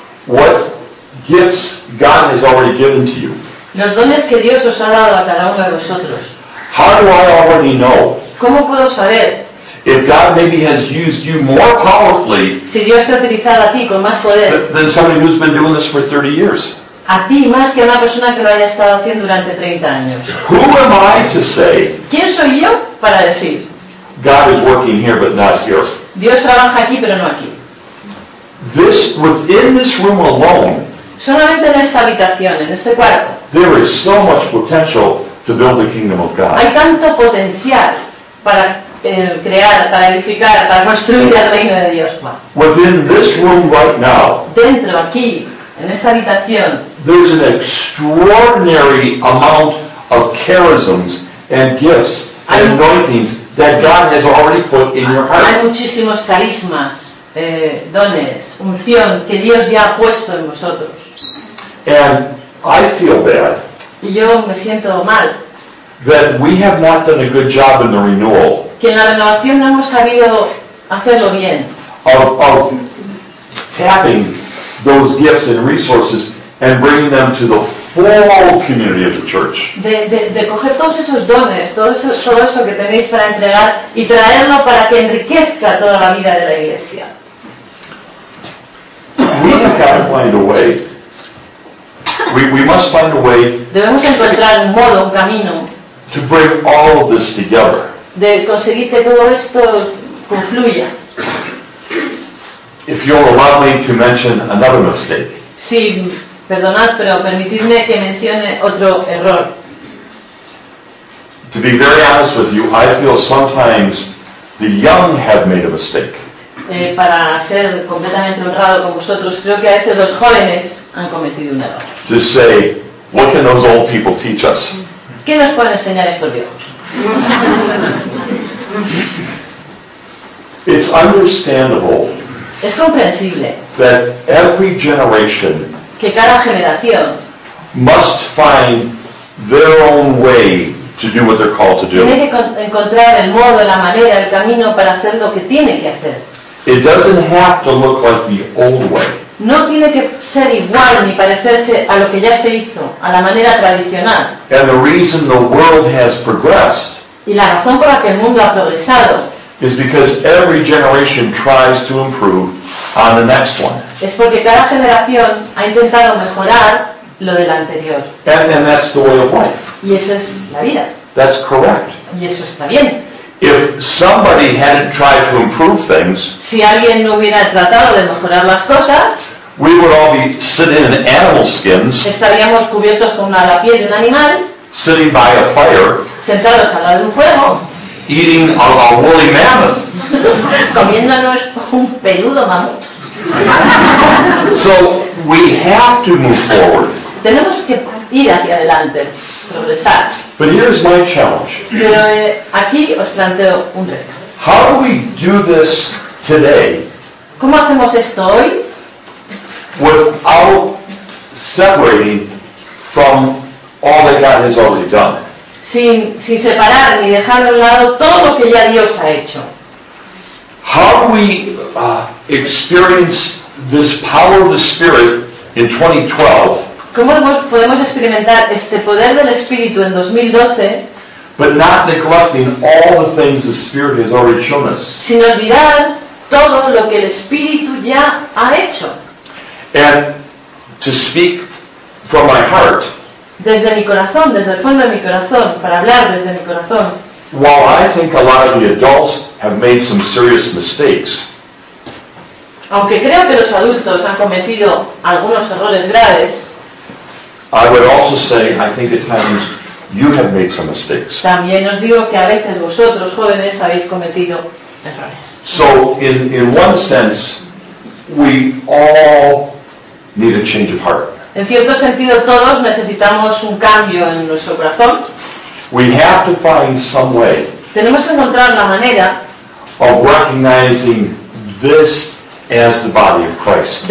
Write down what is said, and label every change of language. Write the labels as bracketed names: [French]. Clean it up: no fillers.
[English] What gifts God has already given to you? [Spanish] Los dones que Dios os ha dado a cada uno de vosotros. [English] How do I already know? [Spanish] ¿Cómo puedo saber? [English] If God maybe has used you more powerfully, [Spanish] si Dios te ha utilizado a ti con más poder, [English] than somebody who's been doing this for 30 years. [Spanish] A ti más que a una persona que lo haya estado haciendo durante 30 años. [English] Who am I to say? [Spanish] ¿Quién soy yo para decir? [English] God is working here, but not here. [Spanish] Dios trabaja aquí, pero no aquí. [English] This within this room alone. [Spanish] Solamente en esta habitación, en este cuarto. [English] There is so much potential to build the kingdom of God. [Spanish] Hay tanto potencial para crear, para edificar, para construir el reino de Dios. [English] Within this room right now. [Spanish] Dentro aquí, en esta habitación. [English] There's an extraordinary amount of charisms and gifts and anointings that God has already put in your heart. [Spanish] Hay muchísimos carismas, dones, unción que Dios ya ha puesto en vosotros. [English] And I feel bad. [Spanish] Y yo me siento mal. [English] That we have not done a good job in the renewal. [Spanish] Que en la renovación no hemos sabido hacerlo bien. [English] Of tapping those gifts and resources and bringing them to the full community of the church. [Spanish] De coger todos esos dones, todo eso que tenéis para entregar y traerlo para que enriquezca toda la vida de la iglesia. [English] We have got to find a way. We must find a way. [Spanish] Debemos encontrar un modo, un camino. [English] To bring all of this together. [Spanish] De conseguir que todo esto confluya. [English] If you'll allow me to mention another mistake. [Spanish] Sí, perdonad, pero permitidme que mencione otro error. [English] To be very honest with you, I feel sometimes the young have made a mistake. [Spanish] Para ser completamente honrado con vosotros, creo que a veces los jóvenes han cometido un error. [English] To say, what can those old people teach us? [Spanish] ¿Qué nos pueden enseñar estos viejos? [English] It's understandable. [Spanish] Es comprensible [English] that every generation [Spanish] que cada generación [English] must find their own way to do what they're called to do. [Spanish] Tiene que encontrar el modo, la manera, el camino para hacer lo que tiene que hacer. [English] It doesn't have to look like the old way. [Spanish] No tiene que ser igual ni parecerse a lo que ya se hizo, a la manera tradicional. [English] And the reason the world has progressed, [Spanish] y la razón por la que el mundo ha progresado, [English] is because every generation tries to improve on the next one. [Spanish] Es porque cada generación ha intentado mejorar lo del anterior. [English] And that's the way of life. [Spanish] Y esa es la vida. [English] That's correct. [Spanish] Y eso está bien. [English] If somebody hadn't tried to improve things, [Spanish] si alguien no hubiera tratado de mejorar las cosas, [English] we would all be sitting in animal skins, [Spanish] estaríamos cubiertos con la piel de un animal, [English] sitting by a fire, [Spanish] sentados al lado de un fuego, [English] eating a woolly mammoth. [Spanish] Comiéndonos un peludo mamut. [English] So we have to move forward. [Spanish] Tenemos que ir hacia adelante, progresar. [English] But here's my challenge. [Spanish] Pero aquí os planteo un reto. [English] How do we do this today? [Spanish] ¿Cómo hacemos esto hoy? [English] Without separating from all that God has already done. [Spanish] Sin separar ni dejar de un lado todo lo que ya Dios ha hecho. [English] How do we experience this power of the Spirit in 2012? [Spanish] ¿Cómo podemos experimentar este poder del Espíritu en 2012? [English] But not neglecting all the things the Spirit has already shown us. [Spanish] Sin olvidar todo lo que el Espíritu ya ha hecho. [English] And to speak from my heart. [Spanish] Desde mi corazón, desde el fondo de mi corazón, para hablar desde mi corazón. [English] While I think a lot of the adults have made some serious mistakes. [Spanish] Aunque creo que los adultos han cometido algunos errores graves. [English] I would also say, I think at times you have made some mistakes. [Spanish] También os digo que a veces vosotros jóvenes habéis cometido errores. [English] So in one sense, we all need a change of heart. [Spanish] En cierto sentido, todos necesitamos un cambio en nuestro corazón. [English] We have to find some way. [Spanish] Tenemos que encontrar la manera [English] of recognizing this as the body of Christ.